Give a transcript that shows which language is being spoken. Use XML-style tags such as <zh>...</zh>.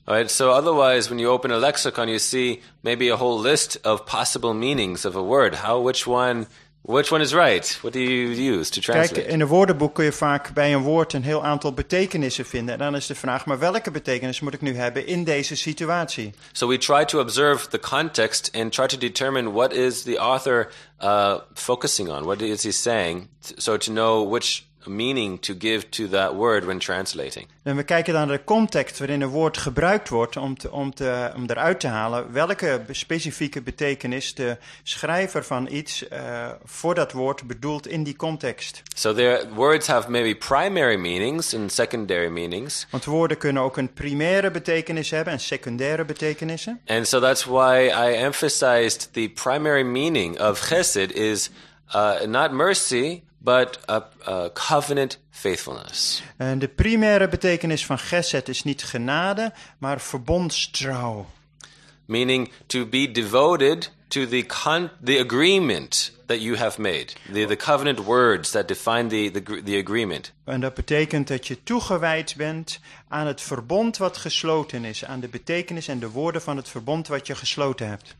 <en>Right, so otherwise, when you open a lexicon, you see maybe a whole list of possible meanings of a word. Which one is right? What do you use to translate?</en> <nl>Kijk, in een woordenboek kun je vaak bij een woord een heel aantal betekenissen vinden. En dan is de vraag, maar welke betekenis moet ik nu hebben in deze situatie?</nl> <en>So we try to observe the context and try to determine what is the author focusing on? What is he saying? So to know which meaning to give to that word when translating.</en> <nl>En we kijken dan naar de context waarin een woord gebruikt wordt om eruit te halen welke specifieke betekenis de schrijver van iets voor dat woord bedoelt in die context.</nl> <en>So there words have maybe primary meanings and secondary meanings.</en> <nl>Want woorden kunnen ook een primaire betekenis hebben en secundaire betekenissen.</nl> <en>And so that's why I emphasized the primary meaning of chesed is not mercy, but a covenant faithfulness.</en> <nl>En de primaire betekenis van chesed is niet genade, maar verbondstrouw.</nl> <en>Meaning to be devoted to the agreement that you have made. The covenant words that define the agreement.</en> <nl>En dat betekent dat je toegewijd bent aan het verbond wat gesloten is, aan de betekenis en de woorden van het verbond wat je gesloten hebt.</nl>